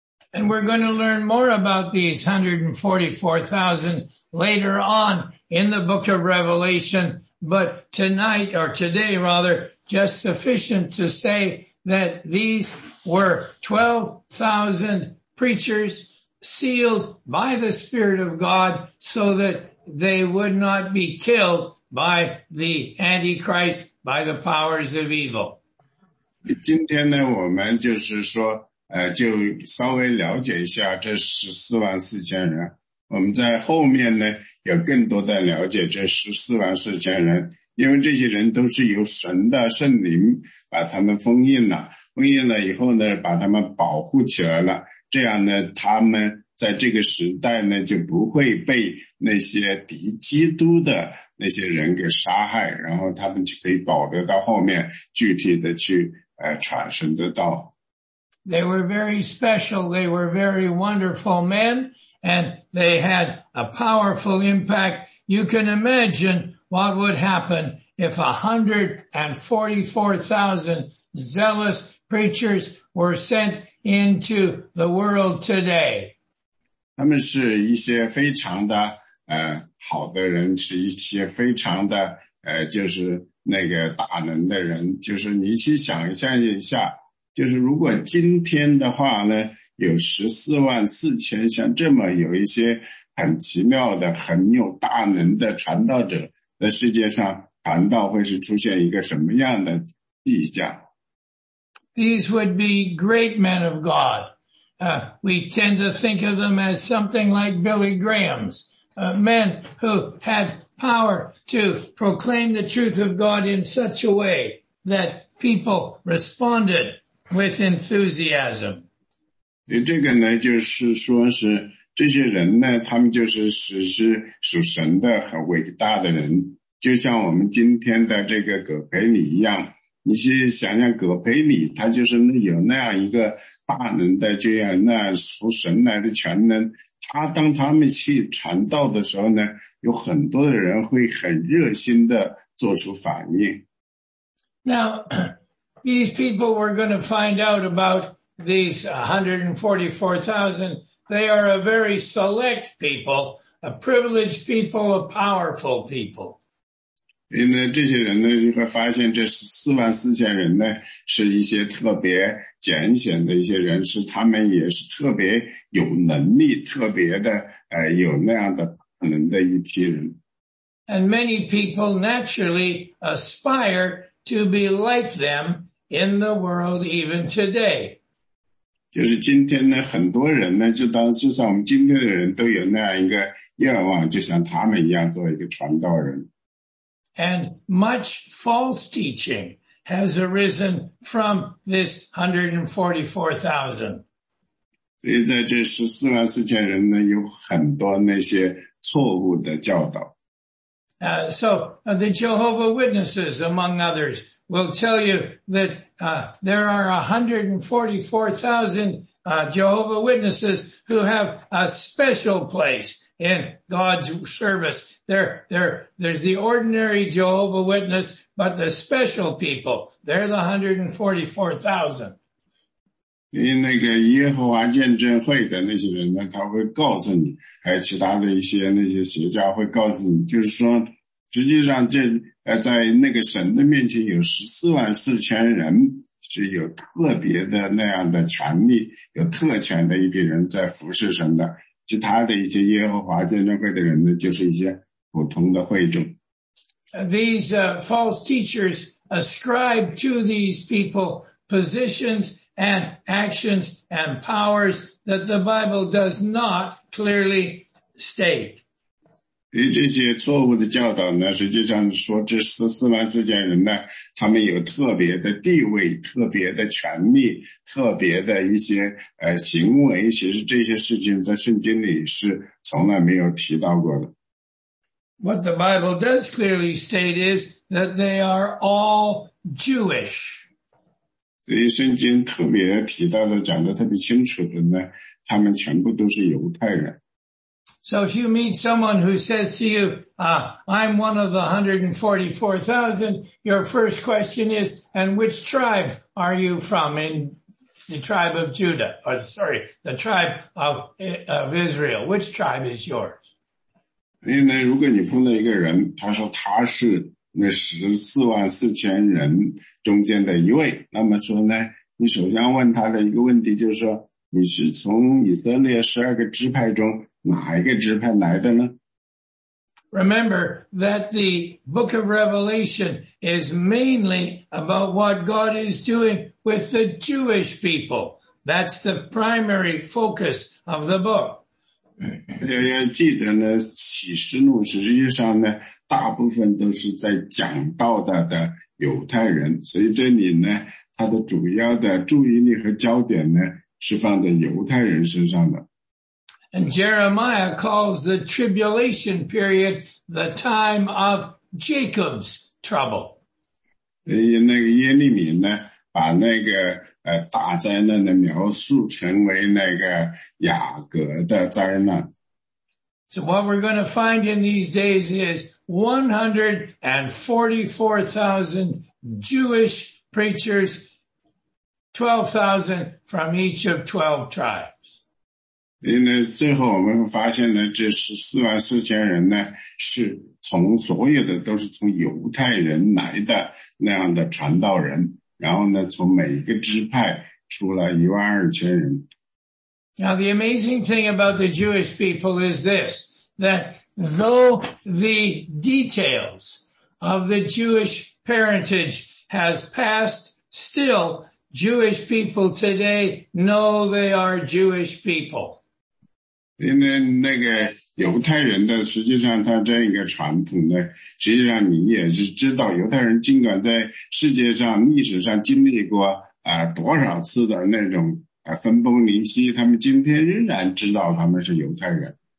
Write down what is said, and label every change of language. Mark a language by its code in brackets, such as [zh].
[en] And we're going to learn more about these 144,000 later on in the book of Revelation, but tonight, or today rather, just sufficient to say that these were 12,000 preachers sealed by the Spirit of God so that they would not be killed by the Antichrist, by the powers of evil. [zh] 今天呢，我们就是说，就稍微了解一下这14万4千人。我们在后面呢，有更多的了解这14万4千人。因为这些人都是由神的圣灵把他们封印了，封印了以后呢，把他们保护起来了，这样呢，他们在这个时代呢，就不会被那些敌基督的那些人给杀害，然后他们就可以保留到后面，具体的去传神的道。 [en] They were very special, they were very wonderful men, and they had a powerful impact. You can imagine what would happen if 144,000 zealous preachers were sent into the world today. [zh] 他们是一些非常的好的人，是一些非常的就是那个大能的人，就是你去想象一下，就是如果今天的话呢，有144,000像这么有一些很奇妙的、很有大能的传道者，在世界上传道会是出现一个什么样的迹象 [en] ？These would be great men of God. We tend to think of them as something like Billy Graham's, men who had power to proclaim the truth of God in such a way that people responded. With enthusiasm. [zh] 这个呢就是说是这些人呢他们就是属神的很伟大的人。就像我们今天的这个葛培理一样。你去想想葛培理他就是有那样一个大能的这样那属神来的全能。他当他们去传道的时候呢有很多的人会很热心的做出反应。 [en] Now, These people were going to find out about these 144,000. They are a very select people, a privileged people, a powerful people. [zh] 因为这些人呢，你会发现这144,000人呢，是一些特别拣选的一些人，是他们也是特别有能力、特别的有那样的能的一批人。 [en] And many people naturally aspire to be like them. In the world even today. [zh] 就是今天呢很多人呢就像我们今天的人都有那样一个愿望就像他们一样做一个传道人。 [en] And much false teaching has arisen from this 144,000. [zh] 所以在这144,000人呢有很多那些错误的教导。 [en] The Jehovah Witnesses, among others, will tell you that, there are 144,000, Jehovah Witnesses who have a special place in God's service. There's the ordinary Jehovah Witness, but the special people, they're the 144,000. [zh] 因为那个耶和华见证会的那些人呢他会告诉你还有其他的一些那些学家会告诉你就是说实际上这在那个神的面前有144,000人是有特别的那样的权利有特权的一批人在服侍神的其他的一些耶和华见证会的人呢就是一些普通的会众。 [en] These, false teachers ascribe to these people positions and actions and powers that the Bible does not clearly state. [zh] 与这些错误的教导呢实际上说这144,000人呢他们有特别的地位特别的权利特别的一些行为其实这些事情在圣经里是从来没有提到过的。 [en] What the Bible does clearly state is that they are all Jewish. [zh] 所以圣经特别提到的讲得特别清楚的呢他们全部都是犹太人。 [en] So if you meet someone who says to you, I'm one of the 144,000, your first question is, and which tribe are you from in the tribe of Judah? Or sorry, the tribe of Israel. Which tribe is yours? [zh] 因为如果你碰到一个人他说他是那144,000人中间的一位那么说呢你首先问他的一个问题就是说你是从以色列12个支派中哪一个支派来的呢 [en] Remember that the book of Revelation is mainly about what God is doing with the Jewish people. That's the primary focus of the book. [zh] 要记得呢启示录实际上呢大部分都是在讲道德的犹太人，所以这里呢，他的主要的注意力和焦点呢，是放在犹太人身上的。 [en] And Jeremiah calls the tribulation period the time of Jacob's trouble. [zh] 那个耶利米呢，把那个大灾难的描述成为那个雅各的灾难。 [en] So what we're going to find in these days is 144,000 Jewish preachers, 12,000 from each of 12 tribes. [zh] 因为最后我们会发现呢，这144,000人呢，是从所有的都是从犹太人来的那样的传道人，然后呢，从每一个支派出来12,000人。 [en] Now the amazing thing about the Jewish people is this, that though the details of the Jewish parentage has passed, still Jewish people today know they are Jewish people. [zh] 因为那个犹太人的实际上他这样一个传统呢，实际上你也是知道犹太人尽管在世界上历史上经历过多少次的那种分崩离析，他们今天仍然知道他们是犹太人。